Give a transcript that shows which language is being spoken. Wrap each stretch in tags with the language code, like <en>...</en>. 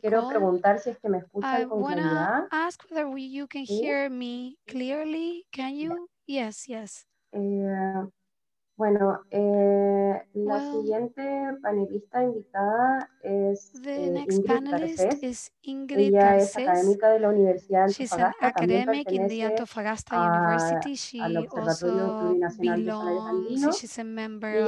<es>Quiero preguntar si es que me escuchan con claridad.</es> <en>I wanna ask whether you can hear me clearly. Can you? Yes, yes.</en> <es>Bueno, la siguiente panelista invitada es Ingrid Garcés. Ella es académica de la Universidad de Antofagasta.</es> <en>She's an academic in the Antofagasta University. She also belongs, she's a member of OPSAL.</en>